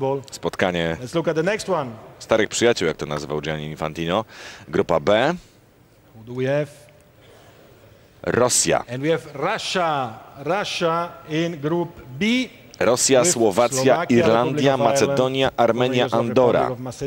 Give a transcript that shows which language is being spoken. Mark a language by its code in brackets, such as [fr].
[pl] Spotkanie starych przyjaciół, jak to nazywał Gianni Infantino. Grupa B. Rosja. [en] And we have Russia in group B. [pl] Rosja, Słowacja, Irlandia, Macedonia, Armenia, Andora.